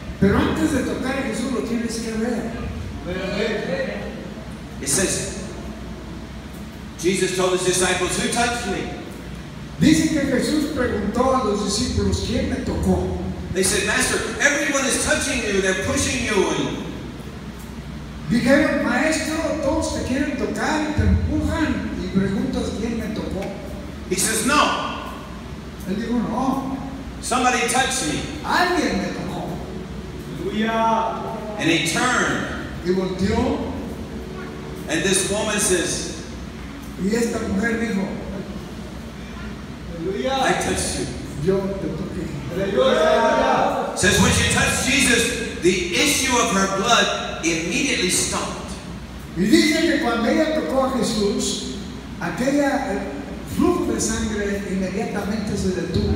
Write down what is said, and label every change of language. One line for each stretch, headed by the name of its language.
Spanish: Pero antes de tocar a Jesús, lo tienes que ver.
English: It says, Jesus told his disciples, "Who touched me?"
Spanish: Dicen que Jesús preguntó a los discípulos, ¿quién me tocó?
English: They said, "Master, everyone is touching you. They're pushing you."
Spanish: Dijeron, "Maestro, todos te quieren tocar y te empujan." Y preguntas, ¿quién me tocó?
English: He says, "No."
Spanish: Él dijo, "No."
English: Somebody touched me.
Spanish: Alguien me tocó.
English: Hallelujah. And he turned.
Spanish: Y volteó.
English: And this woman says,
Spanish: y esta mujer dijo,
English: "I touched you."
Spanish: Yo te toqué.
English: Says when she touched Jesus, the issue of her blood immediately stopped.
Spanish: Y dice que cuando ella tocó a Jesús, aquella flujo de sangre inmediatamente se detuvo.